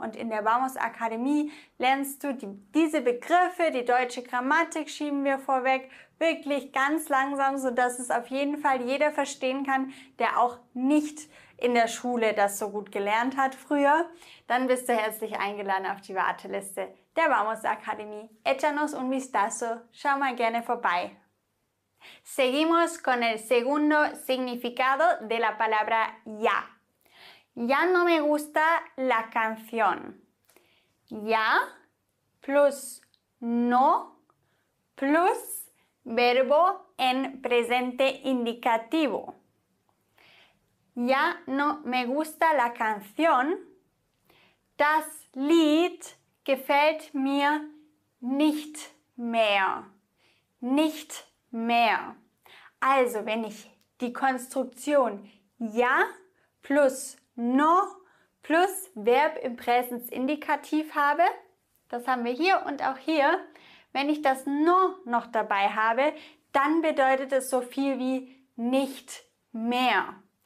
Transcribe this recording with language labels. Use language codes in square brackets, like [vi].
[de] Und in der Vamos Akademie lernst du diese Begriffe, die deutsche Grammatik schieben wir vorweg, wirklich ganz langsam, sodass es auf jeden Fall jeder verstehen kann, der auch nicht in der Schule das so gut gelernt hat früher. Dann bist du herzlich eingeladen auf die Warteliste der Vamos Akademie. [es] Échanos un vistazo. [de] Schau mal gerne vorbei. [es] Seguimos con el segundo significado de la palabra ya. Ya no me gusta la canción. Ya plus no plus verbo en presente indicativo. Ya no me gusta la canción. [de] Das Lied gefällt mir nicht mehr. Nicht mehr. Also, wenn ich die Konstruktion ja plus no plus Verb im Präsensindikativ habe, das haben wir hier und auch hier, wenn ich das no noch dabei habe, dann bedeutet es so viel wie nicht mehr.